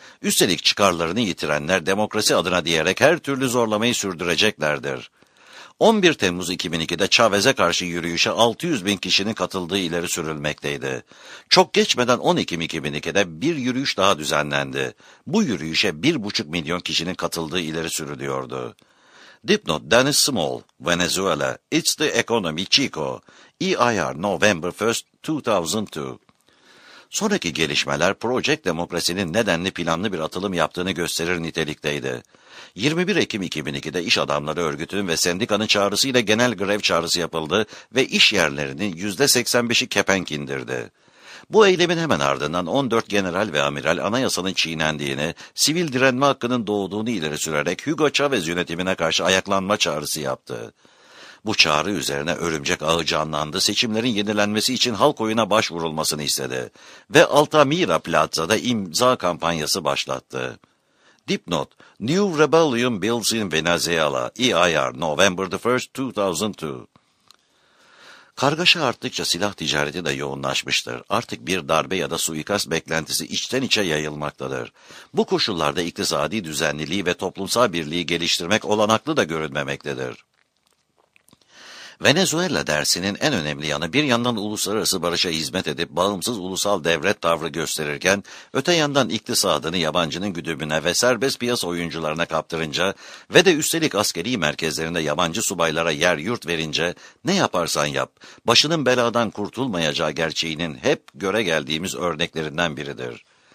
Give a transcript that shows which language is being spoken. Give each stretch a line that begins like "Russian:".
Turkish: Üstelik çıkarlarını yitirenler demokrasi adına diyerek her türlü zorlamayı sürdüreceklerdir. 11 Temmuz 2002'de Chavez'e karşı yürüyüşe 600 bin kişinin katıldığı ileri sürülmekteydi. Çok geçmeden 10 Ekim 2002'de bir yürüyüş daha düzenlendi. Bu yürüyüşe 1,5 milyon kişinin katıldığı ileri sürülüyordu.
English: Dipnot Dennis Small, Venezuela, It's the Economy Chico, EIR November 1st 2002.
Turkish: Sonraki gelişmeler Project Demokrasi'nin nedenli planlı bir atılım yaptığını gösterir nitelikteydi. 21 Ekim 2002'de İş Adamları Örgütü'nün ve sendikanın çağrısıyla genel grev çağrısı yapıldı ve iş yerlerinin %85'i kepenk indirdi. Bu eylemin hemen ardından 14 general ve amiral anayasanın çiğnendiğini, sivil direnme hakkının doğduğunu ileri sürerek Hugo Chavez yönetimine karşı ayaklanma çağrısı yaptı. Bu çağrı üzerine örümcek ağı canlandı, seçimlerin yenilenmesi için halk oyuna başvurulmasını istedi ve Altamira Plaza'da imza kampanyası başlattı.
English: Dipnot, New Rebellion Builds in Venezuela, EIR, November 1st, 2002.
Turkish: Kargaşa arttıkça silah ticareti de yoğunlaşmıştır. Artık bir darbe ya da suikast beklentisi içten içe yayılmaktadır. Bu koşullarda iktisadi düzenliliği ve toplumsal birliği geliştirmek olanaklı da görünmemektedir. Venezuela dersinin en önemli yanı bir yandan uluslararası barışa hizmet edip bağımsız ulusal devlet tavrı gösterirken öte yandan iktisadını yabancının güdümüne ve serbest piyasa oyuncularına kaptırınca ve de üstelik askeri merkezlerinde yabancı subaylara yer yurt verince ne yaparsan yap başının beladan kurtulmayacağı gerçeğinin hep göre geldiğimiz örneklerinden biridir.